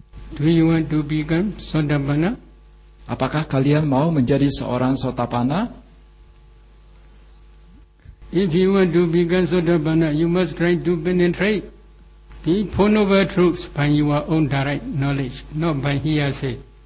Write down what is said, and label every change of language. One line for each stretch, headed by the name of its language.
English: Do you want to become Sotapanna?
Indonesian: Apakah kalian mau menjadi seorang Sotapanna?
English: If you want to become Sotapanna, you must try to penetrate the four noble truths by your own direct knowledge, not by hearsay.